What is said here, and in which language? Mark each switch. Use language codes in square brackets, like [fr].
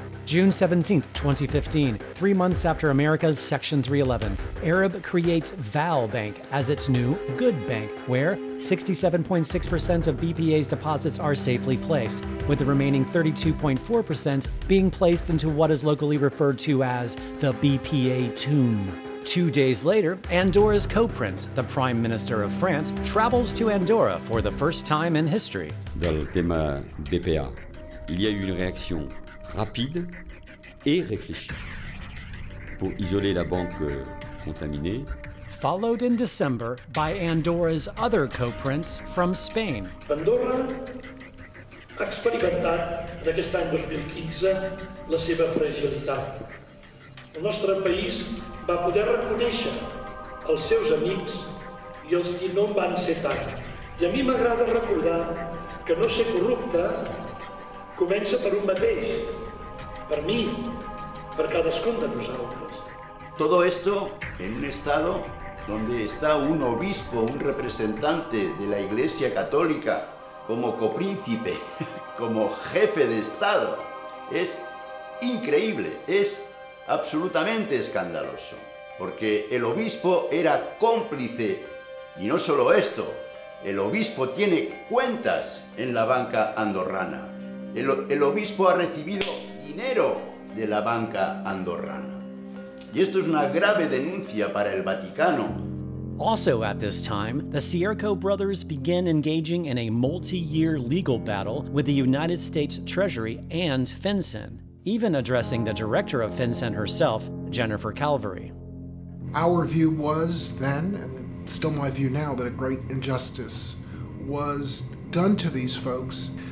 [en] June 17, 2015, 3 months after America's Section 311, Arab creates Val Bank as its new good bank, where 67.6% of BPA's deposits are safely placed, with the remaining 32.4% being placed into what is locally referred to as the BPA tomb. 2 days later, Andorra's co-prince, the Prime Minister of France, travels to Andorra for the first time in history. [fr] Dans le thème BPA, il y a eu une réaction rapide et réfléchi pour isoler la banque contaminée. [en] Followed in December by Andorra's other co-prince from Spain. [ca] Andorra ha experimentat aquest any 2015 la seva fragilitat. El nostre país va poder reconèixer els seus amics i els que no en van ser tant. I a mi m'agrada recordar que no ser corrupte comença per un mateix. Per mi, per cadascun de nosaltres. [es] Todo esto en un estado donde está un obispo, un representante de la Iglesia Católica, como copríncipe, como jefe de Estado. Es increíble, es absolutamente escandaloso. Porque el obispo era cómplice, y no solo esto, el obispo tiene cuentas en la banca andorrana. El obispo ha recibido dinero de la banca andorrana. Y esto es una grave denuncia para el Vaticano. [en] Also at this time, the Cierco brothers begin engaging in a multi-year legal battle with the United States Treasury and FinCEN, even addressing the director of FinCEN herself, Jennifer Calvary. Our view was then, and still my view now, that a great injustice was done to these folks.